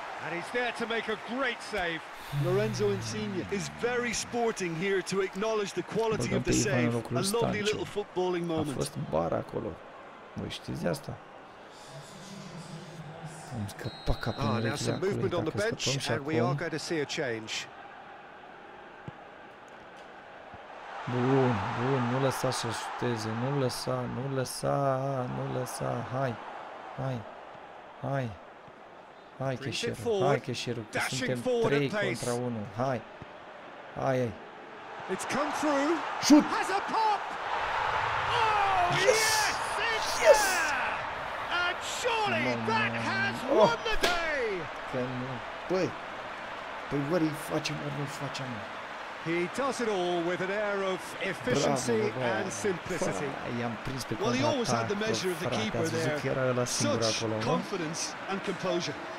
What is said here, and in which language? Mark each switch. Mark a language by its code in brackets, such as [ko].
[en] And he's there to make a great save. Lorenzo Insigne is very sporting here to acknowledge the quality of the save. A lovely little footballing moment. [ro] A fost bar acolo. Voi știți de asta? Am scăpat ca prin urechile acolo. [en] Movement on the bench and we are going to see a change. [ro] Bun, bun, nu lăsa să șuteze, nu lăsa, nu lăsa, nu lăsa, hai, hai, hai. Hai cășeru, hai cășeru, că suntem 3 contra 1. Hai. Hai, hai. [en] It's come through. Shoot. Has a pop. Oh, yes. Yes. Yes. And surely that has won the day. [ro] Când, băi, băi, băi, băi, facem, băi, facem. [en] He does it all with an air of efficiency and simplicity. [ro] I'm prins pe [en] well, he always had the measure of the keeper there. Such [ro] acolo, [en] confidence and composure.